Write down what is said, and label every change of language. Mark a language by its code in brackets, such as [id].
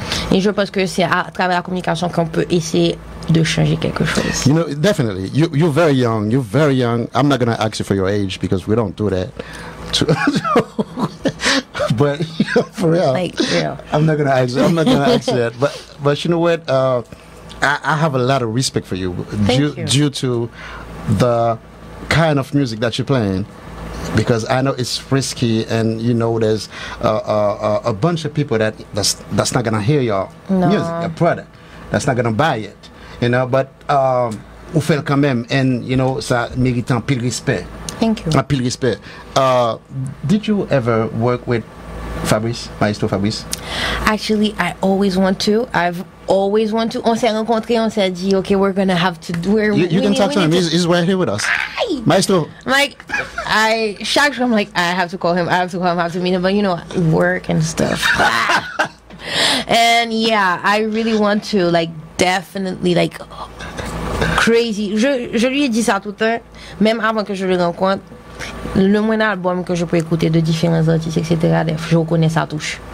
[fr] Et je pense que c'est à travers la communication qu'on peut essayer de changer quelque chose. [en] You know, definitely. You're very young. You're very young. I'm not going to ask you for your age because we don't do that. But you know, for real. Like, real. I'm not going to ask you that. But you know what? I have a lot of respect for you. Thank you. Due to the kind of music that you're playing. Because I know it's risky, and you know there's a bunch of people that's not gonna hear your music, your product, that's not gonna buy it, you know. [fr] But on fait quand même, [en] and you know [fr] ça mérite un pile respect. [en] Thank you. [fr] Un pile respect. [en] Did you ever work with Fabrice, Maestro Fabrice? Actually, I always want to. [fr] On s'est rencontré, on s'est dit, [en] okay, we're gonna have to do. You can talk to him. He's right here with us. Maestro. I have to call him, I have to meet him, but you know, work and stuff. And yeah, I really want to, like, definitely, like, crazy. [fr] Je lui ai dit ça tout le temps, même avant que je le rencontre. Le moins d'albums que je peux écouter de différents artistes, etc., je reconnais sa touche.